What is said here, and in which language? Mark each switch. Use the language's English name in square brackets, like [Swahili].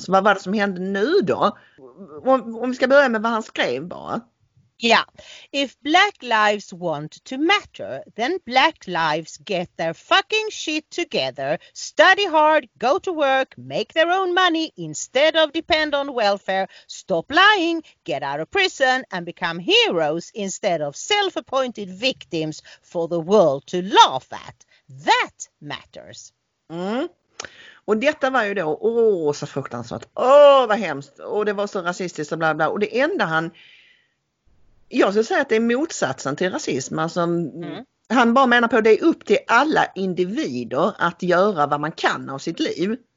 [Swedish] Så vad var det som hände nu då? Om vi ska börja med vad han skrev bara. [English] Ja, if black lives want to matter, then black lives get their fucking shit together, study hard, go to work, make their own money instead of depend on welfare, stop lying, get out of prison and become heroes instead of self-appointed victims for the world to laugh at. That matters. [Swedish] Och detta var ju då så fruktansvärt. Vad hemskt. Och det var så rasistiskt och bla bla. Och det enda han... Jag skulle säga att det är motsatsen till rasism. Alltså, han bara menar på att det är upp till alla individer att göra vad man kan av sitt liv.